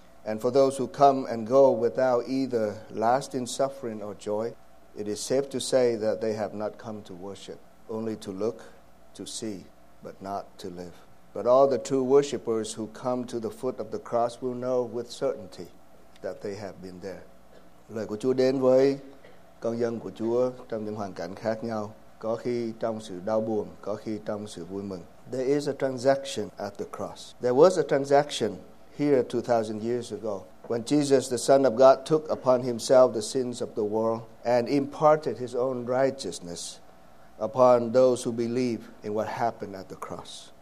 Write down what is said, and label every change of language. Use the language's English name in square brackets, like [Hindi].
[English] And for those who come and go without either lasting suffering or joy, it is safe to say that they have not come to worship, only to look, to see, but not to live. But all the true worshipers who come to the foot of the cross will know with certainty that they have been there. [Vietnamese] Lời của Chúa đến với con dân của Chúa trong những hoàn cảnh khác nhau, có khi trong sự đau buồn, có khi trong sự vui mừng. [English] There is a transaction at the cross. There was a transaction here 2,000 years ago when Jesus, the Son of God, took upon himself the sins of the world and imparted his own righteousness upon those who believe in what happened at the cross.